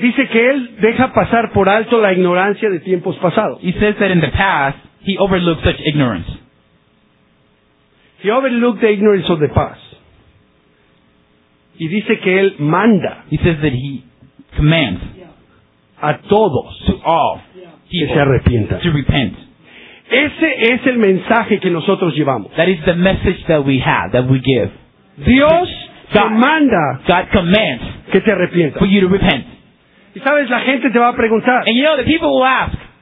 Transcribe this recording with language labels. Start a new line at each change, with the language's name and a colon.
Spanish: Dice que Él deja pasar por alto la ignorancia de tiempos pasados.
English: He says that in the past, He overlooked such ignorance. He overlooked the ignorance of the past.
Spanish: Y dice que Él manda.
English: He says that He commands.
Spanish: A todos.
English: To all.
Spanish: Que se arrepientan.
English: To repent.
Spanish: Ese es el mensaje que nosotros llevamos.
English: That is the message that we have, that we give.
Spanish: Dios manda.
English: God commands.
Spanish: Que te arrepientas.
English: For you to repent.
Spanish: Y sabes, la gente te va a preguntar.
English: And you know, the people will ask.